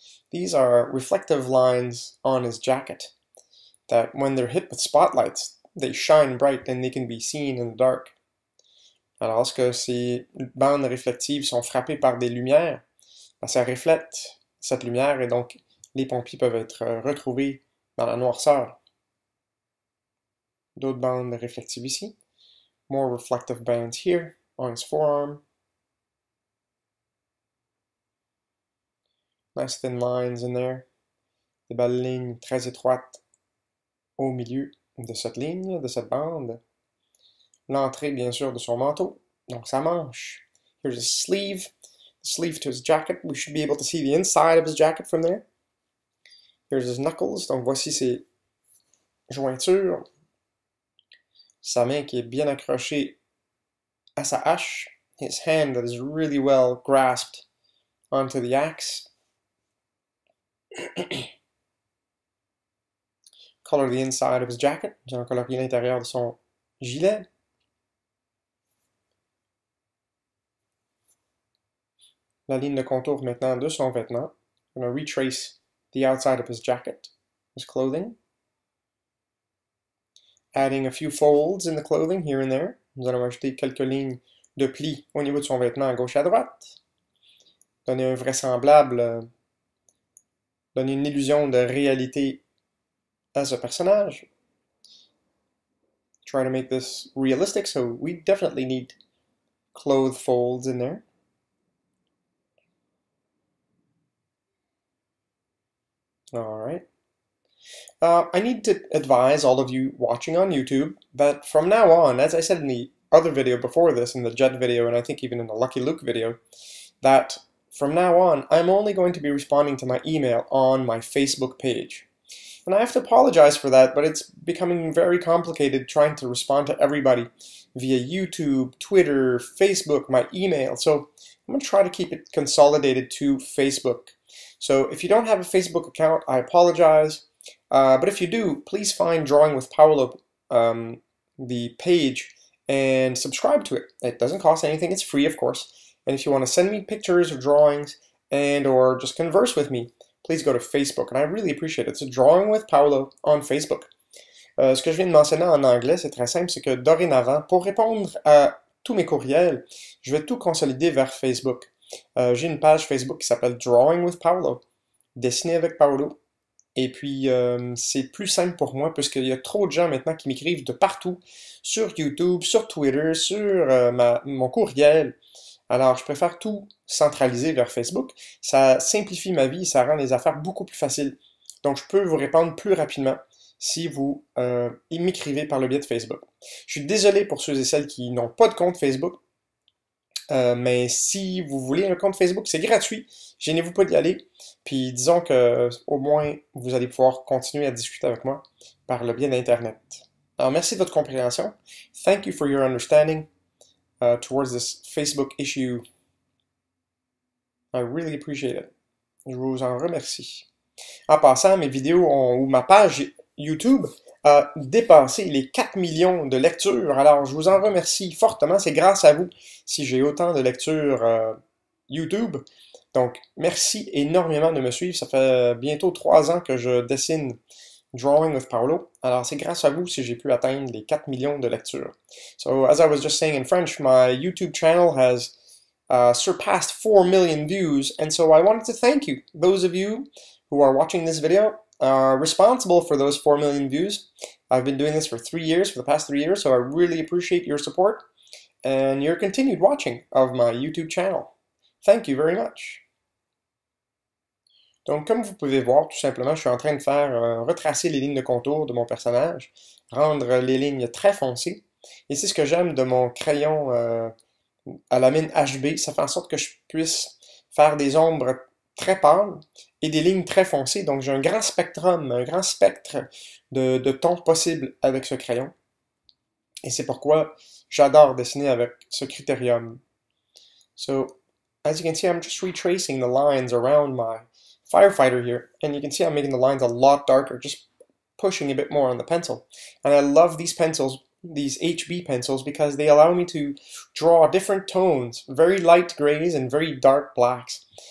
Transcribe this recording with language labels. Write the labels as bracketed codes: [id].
[en] These are reflective lines on his jacket that when they're hit with spotlights, they shine bright and they can be seen in the dark. [fr] Alors, lorsque ces bandes réflectives sont frappées par des lumières, ben, ça reflète cette lumière et donc les pompiers peuvent être retrouvés dans la noirceur. D'autres bandes réflectives ici. [en] More reflective bands here on his forearm. Nice thin lines in there. [fr] Des belles lignes très étroites au milieu de cette ligne, de cette bande. L'entrée, bien sûr, de son manteau. Donc, sa manche. [en] Here's his sleeve. The sleeve to his jacket. We should be able to see the inside of his jacket from there. Here's his knuckles. [fr] Donc, voici ses jointures. Sa main qui est bien accrochée à sa hache. [en] His hand that is really well grasped onto the axe. Color the inside of his jacket. [fr] J'ai colorié l'intérieur de son gilet. La ligne de contour maintenant de son vêtement. [en] I'm going to retrace the outside of his jacket, his clothing. Adding a few folds in the clothing here and there. [fr] Nous allons ajouter quelques lignes de plis au niveau de son vêtement à gauche et à droite. Donner un vraisemblable, donner une illusion de réalité à ce personnage. [en] Try to make this realistic, so we definitely need cloth folds in there. Alright. I need to advise all of you watching on YouTube that from now on, as I said in the other video before this, in the Jet video, and I think even in the Lucky Luke video, that from now on, I'm only going to be responding to my email on my Facebook page. And I have to apologize for that, but it's becoming very complicated trying to respond to everybody via YouTube, Twitter, Facebook, my email. So I'm going to try to keep it consolidated to Facebook. So if you don't have a Facebook account, I apologize. But if you do, please find Drawing with Paolo, the page, and subscribe to it. It doesn't cost anything. It's free, of course. And if you want to send me pictures or drawings and or just converse with me, please go to Facebook. And I really appreciate it. It's a Drawing with Paolo on Facebook. [fr] Ce que je viens de mentionner en anglais, c'est très simple, c'est que dorénavant, pour répondre à tous mes courriels, je vais tout consolider vers Facebook. J'ai une page Facebook qui s'appelle Drawing with Paolo, dessiner avec Paolo. Et puis, c'est plus simple pour moi, puisqu'il y a trop de gens maintenant qui m'écrivent de partout, sur YouTube, sur Twitter, sur mon courriel. Alors, je préfère tout centraliser vers Facebook. Ça simplifie ma vie, ça rend les affaires beaucoup plus faciles. Donc, je peux vous répondre plus rapidement si vous m'écrivez par le biais de Facebook. Je suis désolé pour ceux et celles qui n'ont pas de compte Facebook. Mais si vous voulez un compte Facebook, c'est gratuit. Gênez-vous pas d'y aller. Puis disons que au moins, vous allez pouvoir continuer à discuter avec moi par le biais d'Internet. Alors, merci de votre compréhension. [en] Thank you for your understanding towards this Facebook issue. I really appreciate it. [fr] Je vous en remercie. En passant, mes vidéos ou ma page YouTube a dépassé les 4 millions de lectures. Alors, je vous en remercie fortement. C'est grâce à vous si j'ai autant de lectures YouTube. Donc, merci énormément de me suivre. Ça fait bientôt 3 ans que je dessine Drawing with Paolo. Alors, c'est grâce à vous si j'ai pu atteindre les 4 millions de lectures. [en] So, as I was just saying in French, my YouTube channel has surpassed 4 million views. And so, I wanted to thank you, those of you who are watching this video, are responsible for those 4 million views. I've been doing this for 3 years, for the past 3 years, so I really appreciate your support and your continued watching of my YouTube channel. Thank you very much. [fr] Donc, comme vous pouvez voir, tout simplement, je suis en train de faire retracer les lignes de contour de mon personnage, rendre les lignes très foncées. Et c'est ce que j'aime de mon crayon à la mine HB. Ça fait en sorte que je puisse faire des ombres très pâle et des lignes très foncées. Donc, j'ai un grand spectrum, un grand spectre de tons possibles avec ce crayon. Et c'est pourquoi j'adore dessiner avec ce critérium. [en] So, as you can see, I'm just retracing the lines around my firefighter here. And you can see I'm making the lines a lot darker, just pushing a bit more on the pencil. And I love these pencils, these HB pencils, because they allow me to draw different tones, very light grays and very dark blacks.